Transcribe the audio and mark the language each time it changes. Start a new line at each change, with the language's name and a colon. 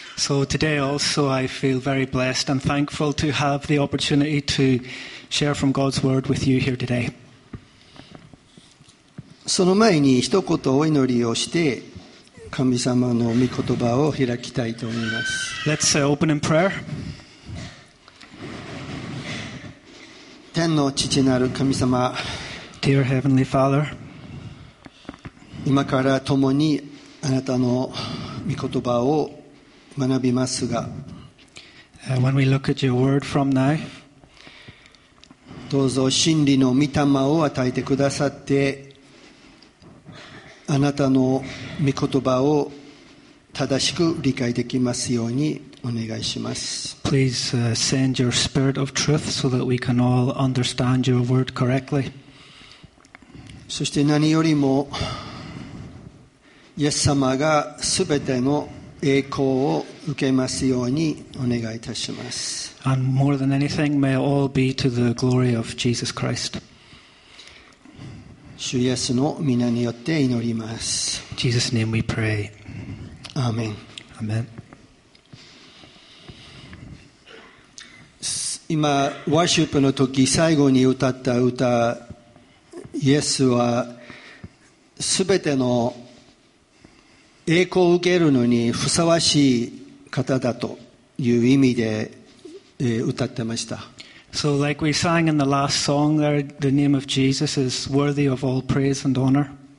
English: So today also I feel very blessed and thankful to have the opportunity to share from God's word with you here today.
Japanese: その前に一言お祈りをして、神様の御言葉を開きたいと思います。
English: Let's open in prayer.
Japanese: 天の父なる神様、
English: Dear Heavenly Father,
Japanese: 今から共にあなたの御言葉を学びますが、
English: When we look at your word from now,
Japanese: どうぞ真理の御霊を与えてくださって、あなたの御言葉を正しく理解できますようにお願いします。
English: Please send your spirit of truth so that we can all understand your word correctly.
Japanese: そして何よりもイエス様がすべての栄光を受けますようにお願いいたします。
English: And more than anything, may it all be to the glory of Jesus Christ.
Japanese: 主イエスの御名によって祈ります。
English: Jesus' name we pray. Amen. Amen.
Japanese: 今、ワーシップの時最後に歌った歌、イエスはすべての栄光を受けるのにふさわしい方だという意味で歌ってました。
English: So like we sang in the last song there, the name of Jesus is worthy of all praise and honor.